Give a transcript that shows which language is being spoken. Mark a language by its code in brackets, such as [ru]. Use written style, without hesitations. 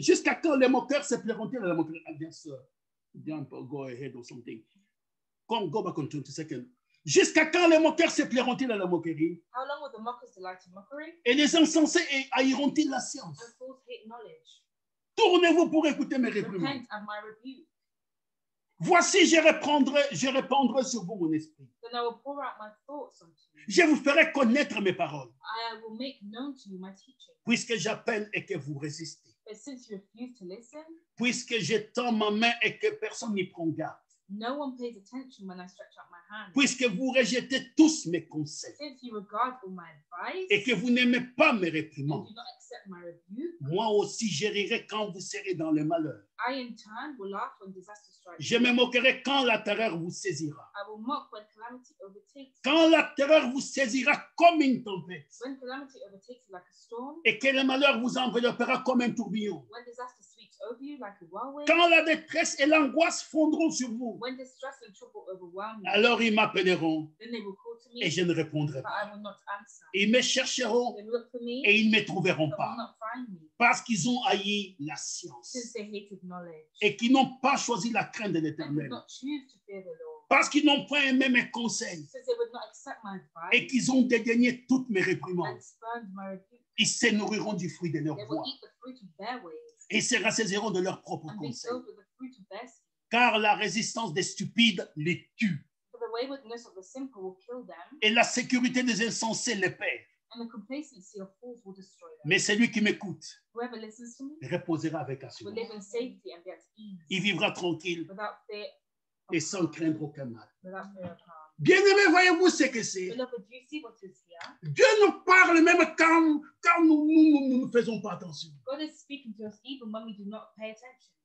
[fr] Jusqu'à quand les moqueurs se plairont à la moquerie? [en] Yes, go ahead or something. Come, go back on 20 seconds. [fr] Jusqu'à quand les moqueurs se plairont-ils à la moquerie? [en] How long will the mockers delight in mockery? [fr] Et les insensés haïront-ils la science? [en] And fools hate knowledge. [fr] Tournez-vous pour écouter mes réprimandes. Voici, je répandrai sur vous mon esprit. [en] Then I will pour out my thoughts on you. [fr] Je vous ferai connaître mes paroles. [en] I will make known to you my teaching. [fr] Puisque j'appelle et que vous résistez. [en] But since you refuse to listen, [fr] puisque j'étends ma main et que personne n'y prend garde. [en] No one pays attention when I stretch out my hand. [fr] Puisque vous rejetez tous mes conseils. [en] Since you regard all my advice, [fr] et que vous n'aimez pas mes réprimandes. [en] And do not accept my rebuke. [fr] Moi aussi, je rirai quand vous serez dans le malheur. [en] I in turn will laugh when disaster strikes. [fr] Je me moquerai quand la terreur vous saisira. [en] I will mock when calamity overtakes. [fr] Quand la terreur vous saisira comme une tempête. [en] When calamity overtakes you like a storm. [fr] Et que le malheur vous enveloppera comme un tourbillon. [en] When disaster sweeps over you like a whirlwind. [fr] Quand la détresse et l'angoisse fondront sur vous. [en] When distress and trouble overwhelm [fr] you. Alors ils m'appelleront. [en] Then they will call to me. [fr] Et je ne répondrai pas. [en] But I will not answer. [fr] Ils me chercheront. [en] They look for me. [fr] Et ils ne me trouveront [en] but [fr] pas. [en] Will not find me. [fr] Parce qu'ils ont haï la science. [en] Since they hated knowledge. [fr] Et qu'ils n'ont pas choisi la crainte de l'Éternel. [en] They did not choose to fear the Lord. [fr] Parce qu'ils n'ont pas aimé mes conseils. [en] Since they would not accept my advice. [fr] Et qu'ils ont dédaigné toutes mes réprimandes. [en] And spurned my rebuke. [fr] Ils se nourriront du fruit de leur [en] they [fr] voix. [en] Will eat the fruit of their ways. [fr] Et se rassaisiront de leurs propres [en] and [fr] conseils. [en] Be filled with the fruit of their speech. [fr] Car la résistance des stupides les tue. [en] For the waywardness of the simple will kill them. [fr] Et la sécurité des insensés les perd. [en] And the complacency of fools will destroy them. [fr] Mais celui qui m'écoute [en] whoever listens to me [fr] reposera avec assurance. [en] Will live in safety and be at ease. [fr] Il vivra tranquille [en] without fear [fr] et sans craindre aucun mal. [en] Without fear of harm. [fr] Bien-aimé, voyez-vous ce que c'est? [en] Beloved, do you see what is here? [fr] Dieu nous parle même quand nous ne faisons pas attention. [en] God is speaking to us even when we do not pay attention.